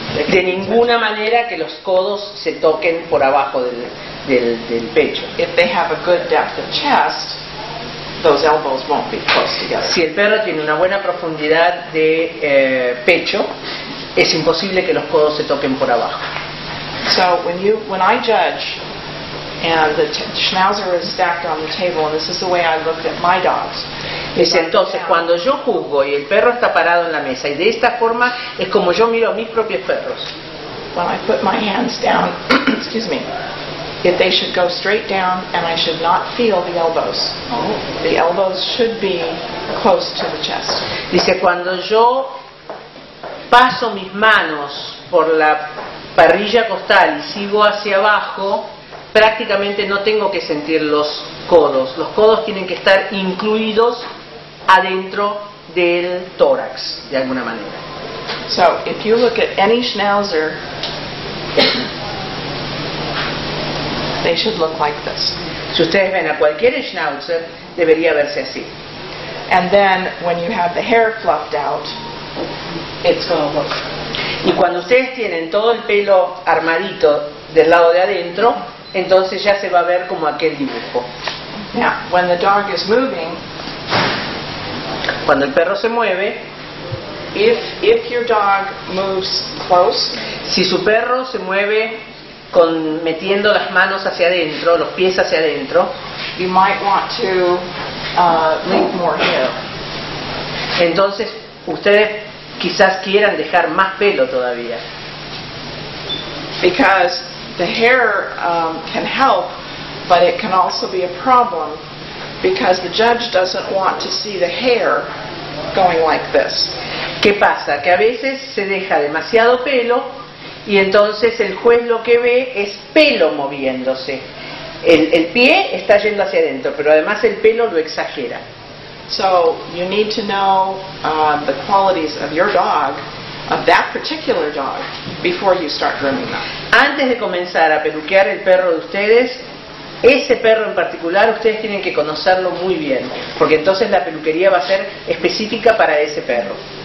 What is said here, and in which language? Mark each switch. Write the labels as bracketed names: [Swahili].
[Spanish] De ninguna manera que los codos se toquen por abajo del pecho. [English] If they have a good depth of chest, those elbows won't be close together. [Spanish] Si el perro tiene una buena profundidad de pecho, es imposible que los codos se toquen por abajo. [English] So when I judge, and the schnauzer is stacked on the table, and this is the way I look at my dogs. [Spanish] Es entonces cuando yo juzgo y el perro está parado en la mesa, y de esta forma es como yo miro a mis propios perros. [English] When I put my hands down, excuse me, if they should go straight down, and I should not feel the elbows. The elbows should be close to the chest. [Spanish] Dice cuando yo paso mis manos por la parrilla costal y sigo hacia abajo, prácticamente no tengo que sentir los codos. Los codos tienen que estar incluidos adentro del tórax, de alguna manera. [English] So, if you look at any schnauzer, they should look like this. [Spanish] Si ustedes ven a cualquier schnauzer, debería verse así. [English] And then, when you have the hair fluffed out, it's going to look. [Spanish] Y cuando ustedes tienen todo el pelo armadito del lado de adentro, entonces ya se va a ver como aquel dibujo. [English] Now, when the dog is moving, [Spanish] cuando el perro se mueve, [English] if your dog moves close, [Spanish] si su perro se mueve con metiendo las manos hacia adentro, los pies hacia adentro. [English] You might want to lean more here. [Spanish] Entonces, ustedes quizás quieran dejar más pelo todavía. [English] Because the hair can help, but it can also be a problem because the judge doesn't want to see the hair going like this. [Spanish] ¿Qué pasa? Que a veces se deja demasiado pelo y entonces el juez lo que ve es pelo moviéndose. El pie está yendo hacia adentro, pero además el pelo lo exagera. [English] So you need to know the qualities of your dog, of that particular dog, before you start grooming them. [Spanish] Antes de comenzar a peluquear el perro de ustedes, ese perro en particular, ustedes tienen que conocerlo muy bien, porque entonces la peluquería va a ser específica para ese perro.